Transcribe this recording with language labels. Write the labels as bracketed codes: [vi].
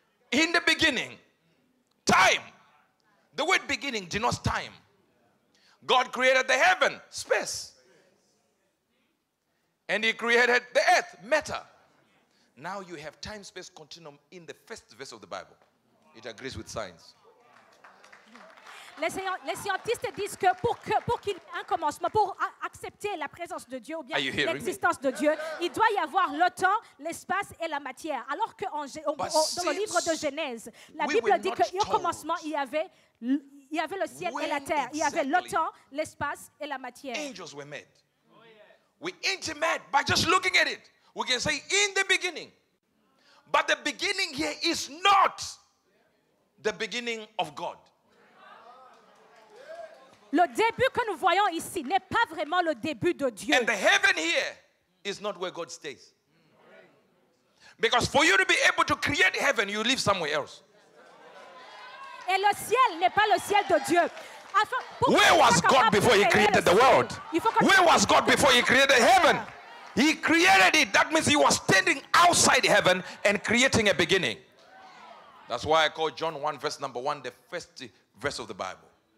[en] In the beginning, time. The word beginning denotes time. God created the heaven, space. And he created the earth, matter. Now you have time-space continuum in the first verse of the Bible. It agrees with science. [fr] Les scientifiques disent que pour qu'il y ait un commencement, pour accepter la présence de Dieu ou bien l'existence de Dieu, il doit y avoir le temps, l'espace et la matière. Alors que dans le livre de Genèse, la Bible dit que au commencement, il y avait le ciel et la terre. Il y avait le temps, l'espace et la matière. [en] Angels were made. We intimate by just looking at it. We can say in the beginning. But the beginning here is not the beginning of God. [fr] Le début que nous voyons ici n'est pas vraiment le début de Dieu. [en] And the heaven here is not where God stays. Because for you to be able to create heaven, you live somewhere else. [fr] Et le ciel n'est pas le ciel de Dieu. [en] Where was God before he created the world? Where was God before he created heaven? He created it. That means he was standing outside heaven and creating a beginning. That's why I call John 1 verse number 1 the first verse of the Bible.